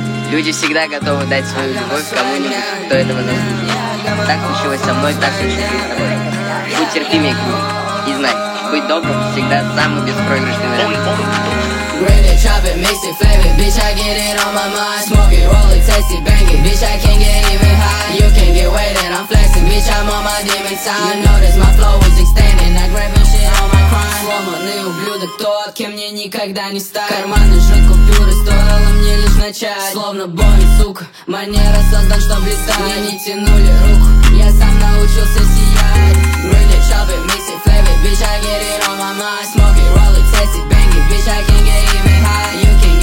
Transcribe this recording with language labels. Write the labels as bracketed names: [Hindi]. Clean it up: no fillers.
[Russian] Люди всегда готовы дать свою любовь кому-нибудь, кто этого заслужит. Так случилось со мной, так случилось и с тобой. Будь терпимее к ним. И знай, быть добрым всегда самый беспроигрышный вариант. [English] Really chopping, mix it, flavor, bitch, I get it on my mind. Smoke it, roll it, taste it, bang it, bitch, I can't get even high. You can't get way that I'm flexing, bitch, I'm on my demon time. You notice my flow is extending, I grabbing shit on my crime. [Russian] Сломанный ублюдок, тот, кем мне никогда не стать. Карманы жжет купюры, стоило мне лишь начать. Словно бой, сука, манера создан, чтоб летать. Мне не тянули руку, я сам научился сиять. [English] Really chopping, mix it, flavor, bitch, I get it on my mind. Smoke it, roll it, taste it, bang it, bitch, I can't get even high.